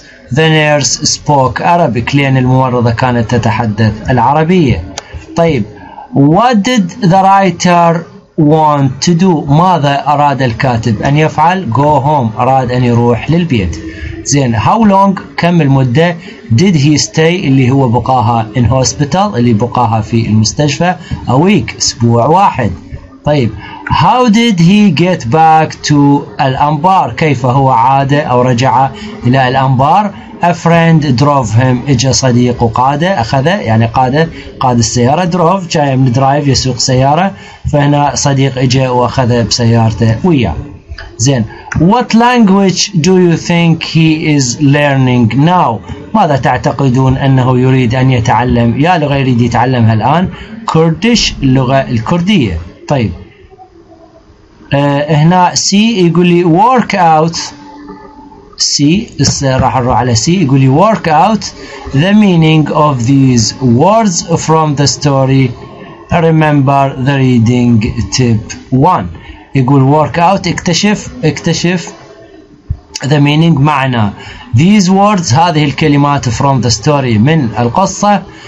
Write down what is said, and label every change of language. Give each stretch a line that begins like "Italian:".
English: The nurse spoke Arabic,
Arabic: لأن الممرضة كانت تتحدث العربية.
English: طيب what did the writer want to do,
Arabic: ماذا أراد الكاتب أن يفعل.
English: Go home,
Arabic: أراد أن يروح للبيت. زين,
English: how long,
Arabic: كم المدة.
English: Did he stay,
Arabic: اللي هو بقاها
English: in hospital,
Arabic: اللي بقاها في المستشفى.
English: A week,
Arabic: أسبوع واحد. طيب
English: how did he get back to
Arabic: الأنبار, كيف هو عاد أو رجع إلى الأنبار.
English: A friend drove him,
Arabic: إجا صديق وقاده, أخذه يعني قاده, قاد السيارة, drove, جاي من drive, يسوق سيارة, فهنا صديق إجا وأخذه بسيارته وياه. زين,
English: what language do you think he is learning now,
Arabic: ماذا تعتقدون أنه يريد أن يتعلم, يا لغة يريد يتعلمها الآن. Kurdish, اللغة الكردية. طيب هنا سي يقول لي
English: work out,
Arabic: سي راح نروح على سي, يقول لي
English: work out the meaning of these words from the story, remember the reading tip 1.
Arabic: يقول
English: work out
Arabic: اكتشف اكتشف
English: the meaning
Arabic: معنى
English: these words
Arabic: هذه الكلمات
English: from the story
Arabic: من القصة